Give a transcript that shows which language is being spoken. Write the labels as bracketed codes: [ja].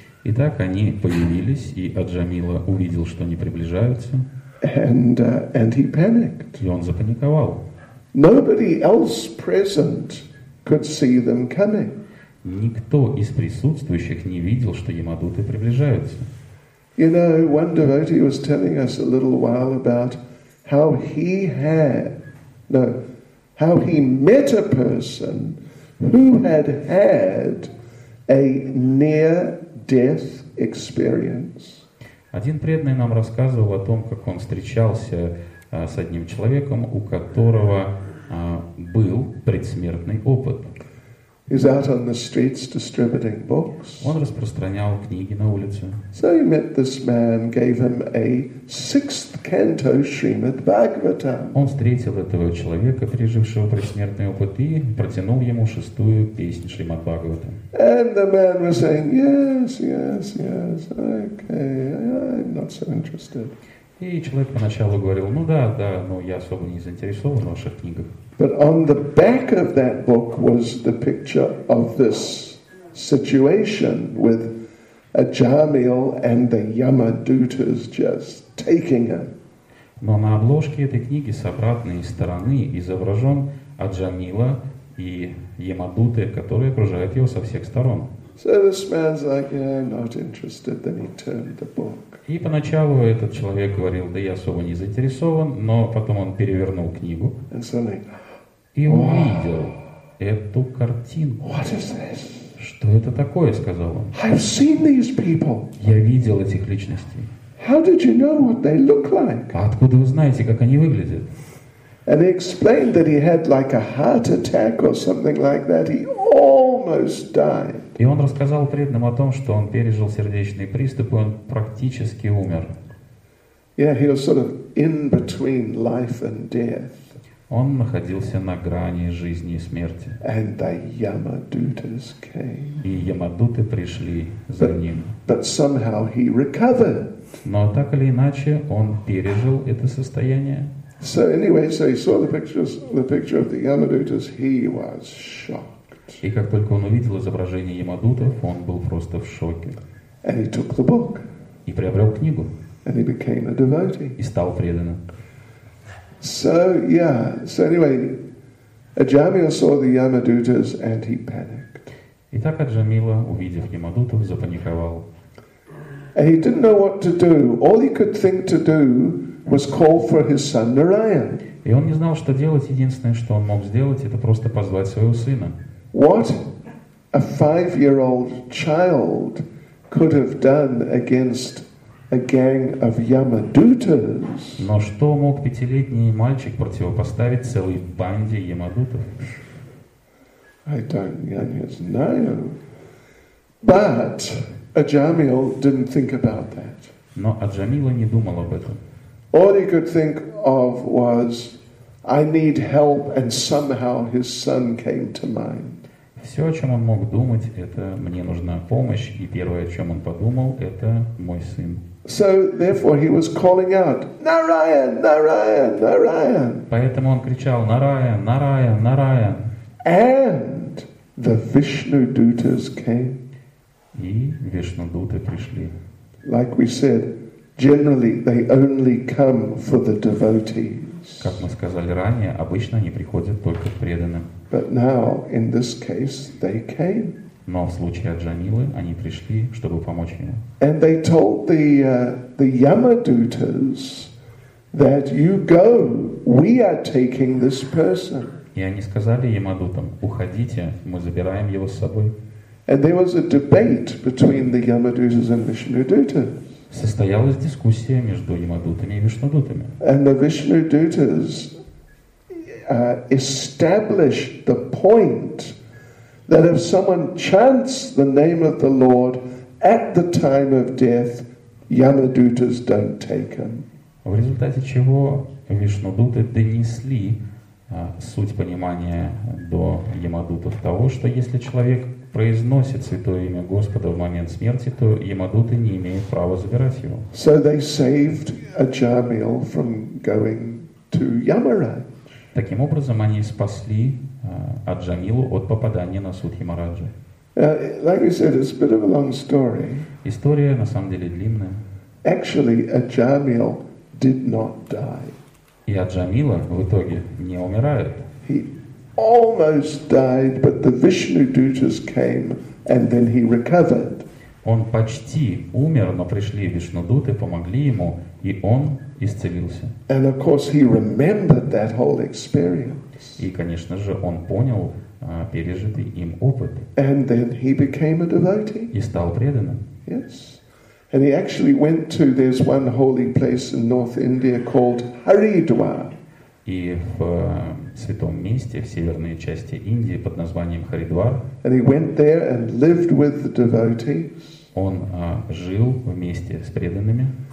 [ru] Итак, они появились, и Аджамила увидел, что они приближаются. [en] And he panicked. [ru] И он запаниковал. [en] Nobody else present could see them coming. [ru] Никто из присутствующих не видел, что ямадуты приближаются. [en] You know, one devotee was telling us a little while about how he had, no, how he met a person who had had a near-death experience. [ru] Один преданный нам рассказывал о том, как он встречался с одним человеком, у которого был предсмертный опыт. [en] He's out on the streets distributing books. [ru] Он распространял книги на улице. [en] So he met this man, gave him a sixth canto Shrimad Bhagavatam. [ru] Он встретил этого человека, пережившего предсмертный опыт, и протянул ему шестую песню Шримад Бхагавата. [en] And the man was saying, yes, yes, yes, okay, I'm not so interested. [ru] И человек поначалу говорил, ну да, да, но я особо не заинтересован в ваших книгах. [en] But on the back of that book was the picture of this situation with Аджамил and the Yamadutas just taking him. [ru] Но на обложке этой книги с обратной стороны изображен Аджамила и Ямадуты, которые окружают его со всех сторон. [en] So this man's like, yeah, I'm not interested. Then he turned the book. [ru] И поначалу этот человек говорил, да я особо не заинтересован, но потом он перевернул книгу. [en] And suddenly, [ru] и увидел эту картинку. [en] What is this? [ru] Что это такое, сказал он. [en] I've seen these people. [ru] Я видел этих личностей. [en] How did you know what they look like? [ru] Откуда вы знаете, как они выглядят? [en] And he explained that he had like a heart attack or something like that. He almost died. [ru] И он рассказал преданным о том, что он пережил сердечный приступ, и он практически умер. [en] Yeah, he was sort of in between life and death. [ru] Он находился на грани жизни и смерти. [en] And the Yamadutas came. [ru] И Ямадуты пришли за ним. [en] But somehow he recovered. [ru] Но так или иначе, он пережил это состояние. [en] So anyway, so he saw the picture of the Yamadutas, he was shocked. [ru] И как только он увидел изображение Ямадутов, он был просто в шоке. [en] And he took the book. [ru] И приобрел книгу. [en] And he became a devotee. [ru] И стал преданным. [en] So yeah. So anyway, Аджамила saw the Yamadutas and he panicked. [ru] Итак, Аджамила, увидев Ямадутов, запаниковал. [en] And he didn't know what to do. All he could think to do was call for his son Narayan. [ru] И он не знал, что делать. Единственное, что он мог сделать, это просто позвать своего сына. [en] What a five-year-old child could have done against a gang of Yamadutas. [ru] Но что мог пятилетний мальчик противопоставить целой банде Ямадутов? [en] I don't know. But Аджамил didn't think about that. [ru] Но Аджамила не думал об этом. [en] All he could think of was, I need help, and somehow his son came to mind. [ru] Все, о чем он мог думать, это мне нужна помощь, и первое, о чем он подумал, это мой сын. [en] So therefore he was calling out, Narayan, Narayan, Narayan. [ru] Поэтому он кричал, Narayan, Narayan, Narayan. [en] And the Vishnu Dutas came. [ru] И Вишну Дуты пришли. [en] Like we said, generally they only come for the devotees. [ru] Как мы сказали ранее, обычно они приходят только к преданным. [en] But now in this case they came. [ru] Но в случае Аджамилы они пришли, чтобы помочь ему. [en] And they told the Yamadutas that you go, we are taking this person. [ru] И они сказали Ямадутам, уходите, мы забираем его с собой. [en] And there was a debate between the Yamadutas and Vishnudutas. [ru] Состоялась дискуссия между Ямадутами и Вишнудутами. [en] And the Vishnudutas established the point that if someone chants the name of the Lord at the time of death, Yamadutas don't take him. [ru] В результате чего Вишнудуты донесли суть понимания до Ямадутов того, что если человек произносит святое имя Господа в момент смерти, то Ямадуты не имеют права забирать его. [en] So they saved Ajamil from going to Yamaraj. [ru] Таким образом, они спасли Аджамилу от попадания на суд Ямараджа. [en] Like I said, it's a bit of a long story. [ru] История на самом деле длинная. [en] Actually, Ajamil did not die. [ru] И Аджамила в итоге не умирает. [en] He almost died, but the Vishnu Dutas came, and then he recovered. [ru] Он почти умер, но пришли Вишнудуты, помогли ему, и он исцелился. [en] And of course, he remembered that whole experience. [ru] И, конечно же, он понял пережитый им опыт. [en] And then he became a devotee. [ru] И стал преданным. [en] Yes. And he actually went to, there's one holy place in North India called Haridwar. [ru] И в святом месте, в северной части Индии, под названием Харидвар. [en] And he went there and lived with the devotees. [ru] Он жил вместе с преданными.